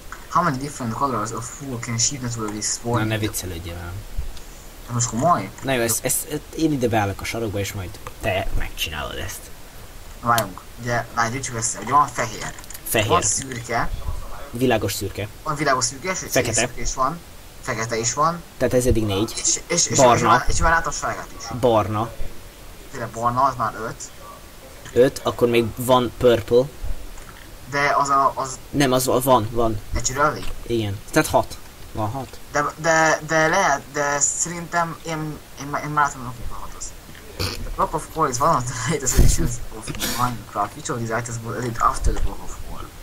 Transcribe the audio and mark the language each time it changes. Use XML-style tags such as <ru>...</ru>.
<en>How many different colors of wool can sheep naturally spawn?</en> <hu>Na, ne viccelődjél velem. De most komoly? Na jó, ezt én ide beállok a sarokba, és majd te megcsinálod ezt. Várjunk, ugye, várj, gyűjtsük össze, ugye van fehér. Fehér. Van szürke. Világos szürke. Van világos szürke, és egy fekete. Szürke is van. Fekete is van. Tehát ez eddig 4. És barna. És már látom a sárgát is. Barna. Tényleg barna, az már 5. 5, akkor még van purple. De az a... Az... Nem, az van.</hu> <en>Naturally?</en> <hu>Igen. Tehát 6. Van 6. De lehet, de szerintem én már látom, hogy a 6-hoz.</hu> <en>The block of coal is one of the latest editions of Minecraft. Which of these items was added after the block of coal?</en>